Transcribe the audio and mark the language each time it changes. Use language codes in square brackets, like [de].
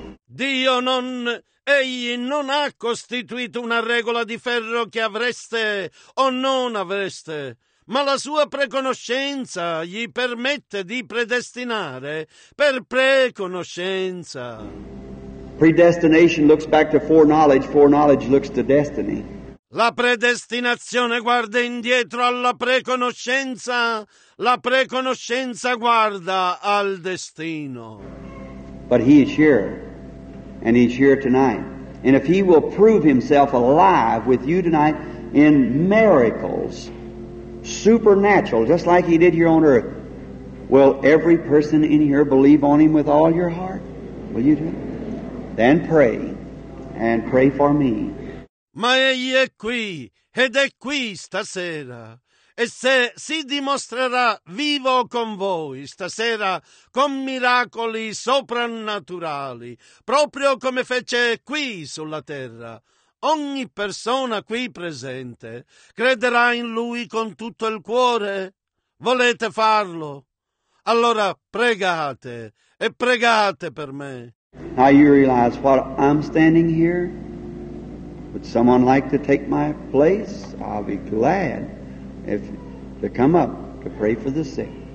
[it] Dio non, egli non ha costituito una regola di ferro che avreste o non avreste. Ma la sua preconoscenza gli permette di predestinare per preconoscenza. [en] Predestination looks back to foreknowledge, foreknowledge looks to destiny. [it] La predestinazione guarda indietro alla preconoscenza, la preconoscenza guarda al destino. [en] But he is here, and he's here tonight. And if he will prove himself alive with you tonight in miracles, supernatural, just like he did here on earth. Will every person in here believe on him with all your heart? Will you do it? Then pray, and pray for me. [it] Ma egli è qui, ed è qui stasera. E se si dimostrerà vivo con voi stasera con miracoli soprannaturali, proprio come fece qui sulla terra, ogni persona qui presente crederà in Lui con tutto il cuore? Volete farlo? Allora pregate e pregate per me. [en] Now you realize what I'm standing here? Would someone like to take my place? I'll be glad if to come up to pray for the sick.